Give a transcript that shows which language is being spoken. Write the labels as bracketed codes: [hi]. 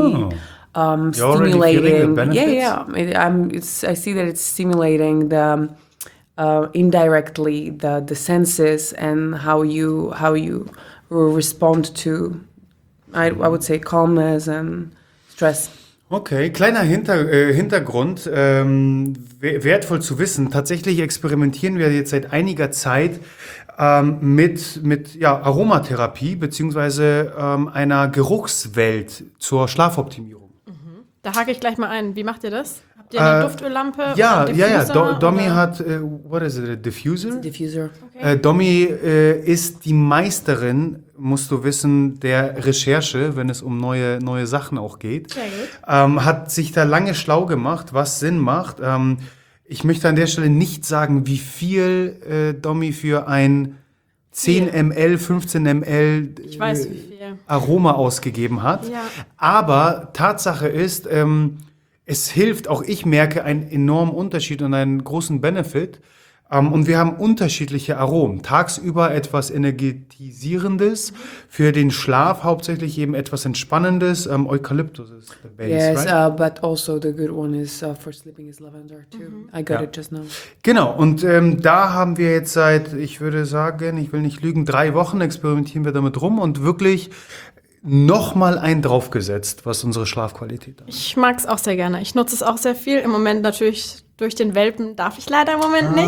[en] Oh. Stimulating. I see that it's stimulating the indirectly the senses and how you respond to, I would say, calmness and stress. [de] Okay, kleiner Hintergrund, wertvoll zu wissen. Tatsächlich experimentieren wir jetzt seit einiger Zeit mit Aromatherapie beziehungsweise einer Geruchswelt zur Schlafoptimierung. Da hake ich gleich mal ein. Wie macht ihr das? Habt ihr eine Duftöllampe? Ja, oder einen Diffuser? Ja. [en] Domi hat, what is it, a diffuser? It's a diffuser. Okay. [de] Domi ist die Meisterin, musst du wissen, der Recherche, wenn es um neue Sachen auch geht. Sehr gut. Hat sich da lange schlau gemacht, was Sinn macht. Ich möchte an der Stelle nicht sagen, wie viel Domi für ein 10 ml, 15 ml, ich weiß, wie viel Aroma ausgegeben hat. Ja. Aber Tatsache ist, es hilft, auch ich merke einen enormen Unterschied und einen großen Benefit. Und wir haben unterschiedliche Aromen. Tagsüber etwas Energetisierendes, für den Schlaf hauptsächlich eben etwas Entspannendes. [en] Eukalyptus ist the base, yes, right? Yes, but also the good one is for sleeping is lavender too. Mm-hmm. I got it just now. [de] Genau, und da haben wir jetzt seit, ich würde sagen, ich will nicht lügen, 3 Wochen experimentieren wir damit rum und wirklich nochmal einen draufgesetzt, was unsere Schlafqualität angeht. Ich mag es auch sehr gerne. Ich nutze es auch sehr viel. Im Moment natürlich durch den Welpen darf ich leider im Moment nicht.